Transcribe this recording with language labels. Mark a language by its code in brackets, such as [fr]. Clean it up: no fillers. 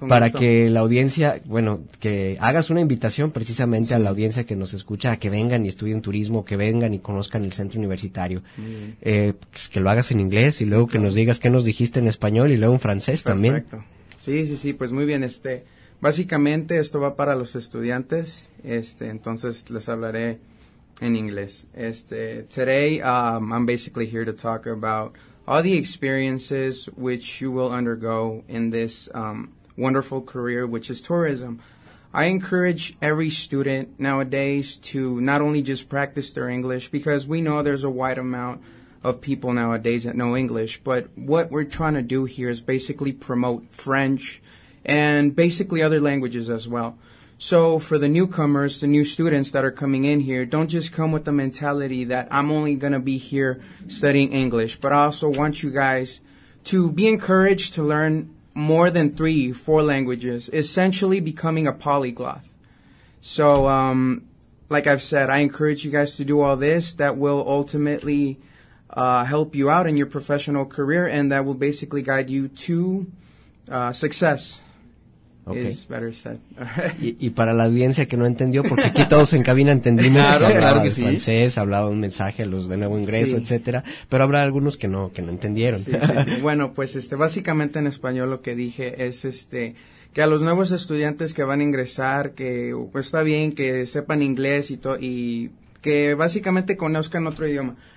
[es] para que la audiencia, bueno, que hagas una invitación precisamente, sí, a la audiencia que nos escucha, a que vengan y estudien turismo, que vengan y conozcan el centro universitario. Pues que lo hagas en inglés y luego que nos digas qué nos dijiste en español y luego en francés. Perfecto. También. Sí, pues muy bien. Básicamente esto va para los estudiantes, entonces les hablaré [en] in English. Today, I'm basically here to talk about all the experiences which you will undergo in this wonderful career, which is tourism. I encourage every student nowadays to not only just practice their English, because we know there's a wide amount of people nowadays that know English, but what we're trying to do here is basically promote French and basically other languages as well. So for the newcomers, the new students that are coming in here, don't just come with the mentality that I'm only going to be here studying English, but I also want you guys to be encouraged to learn more than 3-4 languages, essentially becoming a polyglot. So, like I've said, I encourage you guys to do all this. That will ultimately help you out in your professional career, and that will basically guide you to success. Okay. Is better said. [es] y para la audiencia que no entendió, porque aquí todos en cabina entendimos, claro, que hablaba, claro que sí, francés, hablaba un mensaje, los de nuevo ingreso, sí, etcétera, pero habrá algunos que no entendieron. Sí, sí, sí. Bueno, pues básicamente en español lo que dije es que a los nuevos estudiantes que van a ingresar, que pues, está bien que sepan inglés y que básicamente conozcan otro idioma.